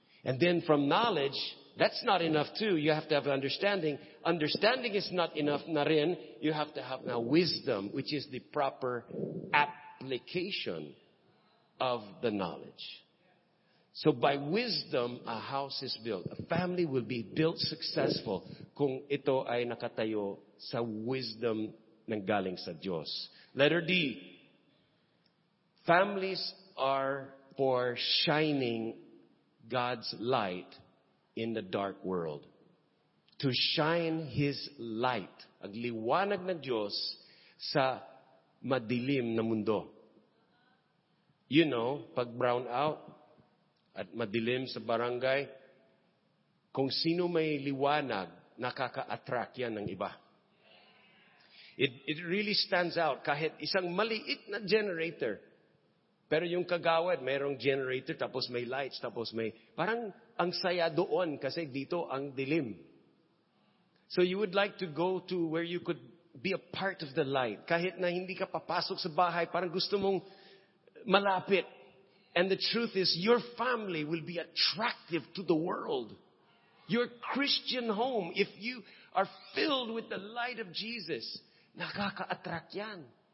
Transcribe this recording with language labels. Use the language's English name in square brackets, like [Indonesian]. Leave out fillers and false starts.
[English] And then from knowledge, that's not enough too. You have to have understanding. Understanding is not enough na rin. You have to have now wisdom, which is the proper application of the knowledge. So by wisdom, a house is built. A family will be built successful [Filipino] kung ito ay nakatayo sa wisdom ng galing sa Diyos. [English] Letter D. Families are for shining God's light in the dark world. To shine His light. [Filipino] Agliwanag ng Diyos sa madilim na mundo. [English] You know, [Filipino] pag brown out at madilim sa barangay, kung sino may liwanag, nakaka-attract yan ng iba. [English] It really stands out [Filipino] kahit isang maliit na generator. Pero yung kagawad, mayroong generator, tapos may lights, tapos may... Parang ang saya doon kasi dito ang dilim. [English] So you would like to go to where you could be a part of the light. [Filipino] Kahit na hindi ka papasok sa bahay, parang gusto mong malapit. [English] And the truth is, your family will be attractive to the world. Your Christian home, if you are filled with the light of Jesus, [Filipino] nakaka-attract yan.